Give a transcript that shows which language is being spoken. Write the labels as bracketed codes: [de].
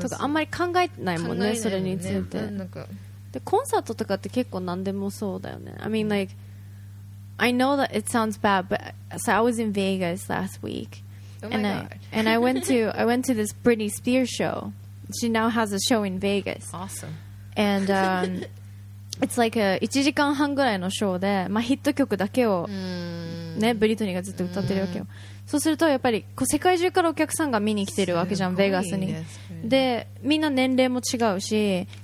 [ja] とかあんまり考えないもんね。それについて。なんかでコンサートとかって結構なんでもそうだよね。 [en] I mean like I know that it sounds bad, but so I was in Vegas last week, and I went to this Britney Spears show. She now has a show in Vegas. Awesome. And It's like a [ja] 1時間半ぐらいのショーで、まあ、ヒット曲だけを、ね、ブリトニーがずっと歌ってるわけよそうするとやっぱりこう世界中からお客さんが見に来てるわけじゃんベガスにでみんな年齢も違うし